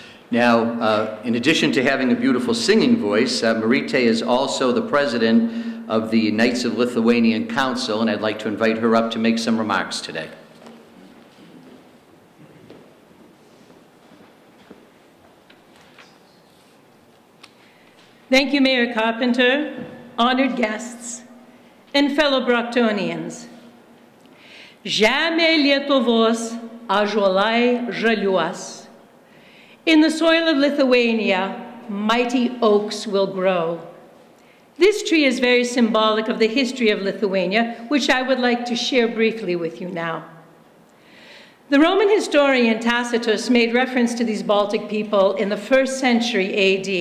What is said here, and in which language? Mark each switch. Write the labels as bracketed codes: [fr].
[en] Now, in addition to having a beautiful singing voice, Marite is also the president of the Knights of Lithuanian Council, and I'd like to invite her up to make some remarks today. Good Thank you, Mayor Carpenter, honored guests, and fellow Brocktonians. [lt] Jamais Lietuvos ąžuolai žaliuos. [en] In the soil of Lithuania, mighty oaks will grow. This tree is very symbolic of the history of Lithuania, which I would like to share briefly with you now. The Roman historian Tacitus made reference to these Baltic people in the first century AD.